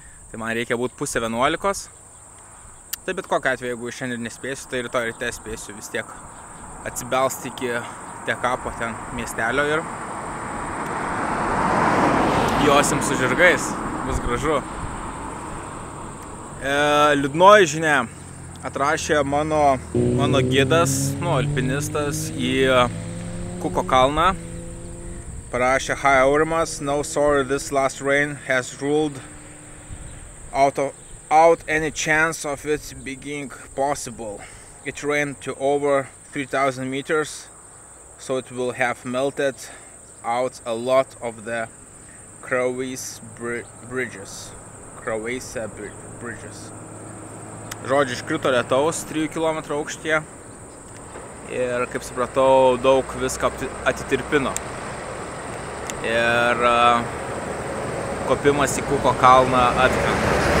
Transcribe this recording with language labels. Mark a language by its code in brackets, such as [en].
[lt] Tai man reikia būti pusė 11. Tai bet kokia atveju, jeigu šiandien nespėsiu, tai rytoj ryte spėsiu vis tiek atsibelsti iki tekapo ten miestelio ir josim su žirgais, bus gražu. Liūdnoji žinia, atrašė mano gidas, nu, alpinistas į Kuko kalną. Parašė, [en] hi Aurimas, no sorry, this last rain has ruled out any chance of it being possible. It rained to over 3000 meters, so it will have melted out a lot of the Croesa bridges. [lt] Žodžiu, iškrito lietaus 3 km aukštyje ir, kaip supratau, daug viską atitirpino. Ir kopimas į Kuko kalną atkrenta.